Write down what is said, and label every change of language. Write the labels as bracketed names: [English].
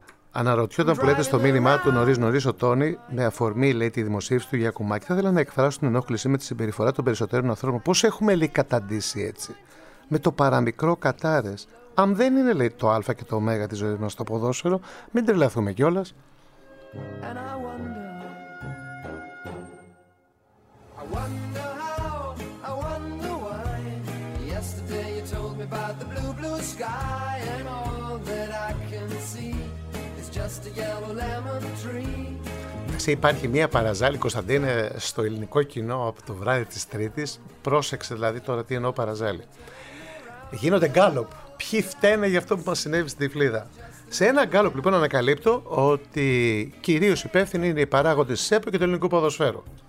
[Greek] Αναρωτιόταν που λέτε στο μήνυμά του νωρίς ο Τόνι, με αφορμή λέει τη δημοσίευση του Γιακουμάκη, θα ήθελα να εκφράσω την ενόχληση με τη συμπεριφορά των περισσότερων ανθρώπων. Πώς έχουμε λέει καταντήσει έτσι, με το παραμικρό κατάρες? Αν δεν είναι λέει το α και το ω της ζωής μας στο ποδόσφαιρο, μην τρελαθούμε κιόλας. [English] And I wonder how, I wonder why. Yesterday you told me about the blue, blue sky. And all that I can see is just a yellow lemon tree. [Greek] Υπάρχει μια παραζάλη, Κωνσταντίνε, στο ελληνικό κοινό από το βράδυ της Τρίτης. Πρόσεξε δηλαδή τώρα τι εννοώ παραζάλη. Γίνονται γκάλωπ. Ποιοι φταίνε για αυτό που μας συνέβη στην Τυφλίδα? Σε ένα γκάλωπ λοιπόν ανακαλύπτω ότι κυρίως υπεύθυνοι είναι οι παράγοντες της ΕΠΟ και του ελληνικού ποδοσφαίρου.